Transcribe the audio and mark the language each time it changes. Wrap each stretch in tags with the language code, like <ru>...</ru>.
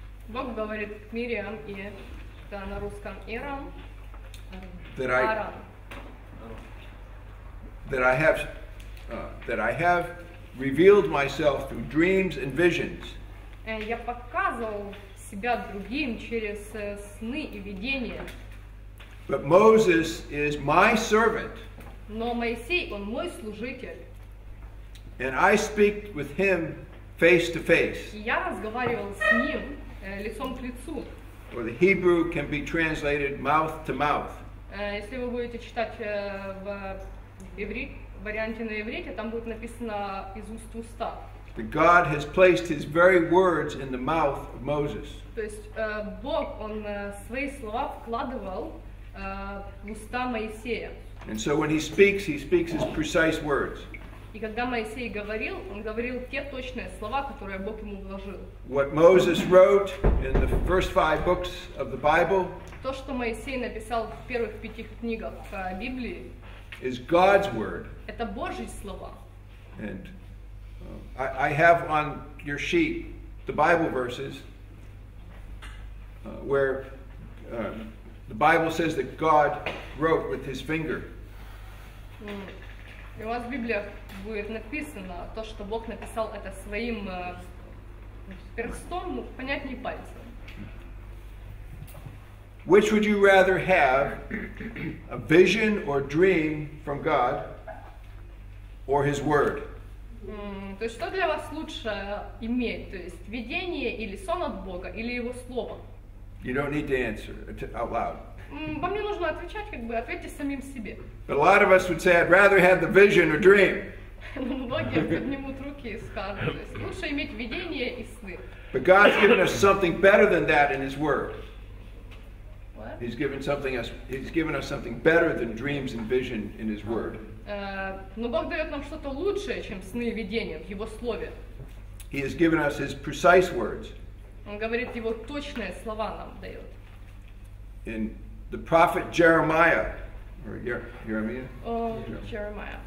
<ru>Бог говорит Мириам и на русском Эрам.</ru> <en>That I have revealed myself through dreams and visions.</en> <ru>Я показывал себя другим через сны и видения.</ru> <en>But Moses is my servant.</en> <ru>Но Моисей, он мой служитель.</ru> <en>And I speak with him face to face.</en> <ru>Я разговаривал с ним лицом к лицу.</ru> <en>Or the Hebrew can be translated mouth to mouth.</en> <ru>Если вы будете читать в иврите, в варианте на иврите, там будет написано из уст в уста.</ru> <en>That God has placed his very words in the mouth of Moses.</en> <ru>То есть Бог, он свои слова вкладывал в уста Моисея.</ru> <en>And so when he speaks his precise words.</en> <ru>И когда Моисей говорил, он говорил те точные слова, которые Бог ему вложил.</ru> <en>What Moses wrote in the first five books of the Bible.</en> <ru>То, что Моисей написал в первых пяти книгах Библии.</ru> <en>Is God's word.</en> <ru>Это Божьи слова.</ru> <en>And I have on your sheet the Bible verses where the Bible says that God wrote with his finger.</en> <ru>У вас в Библиях будет написано то, что Бог написал это своим перстом, понятнее пальцем.</ru> <en>Which would you rather have, a vision or dream from God, or his word?</en> <ru>То есть что для вас лучше иметь, то есть видение или сон от Бога, или его слово?</ru> <en>You don't need to answer out loud.</en> <ru>Вам не нужно отвечать, как бы, ответьте самим себе.</ru> <en>But a lot of us would say, I'd rather have the vision or dream.</en> <ru>Многие поднимут руки и скажут, то есть лучше иметь видение и сны.</ru> <en>But God's given us something better than that in his word. He's given us something better than dreams and vision in his word.</en> <ru>Но Бог дает нам что-то лучшее, чем сны и видения в его слове.</ru> <en>He has given us his precise words.</en> <ru>Он говорит, его точные слова нам дает.</ru> <en>In the prophet Jeremiah, or Jeremiah?</en>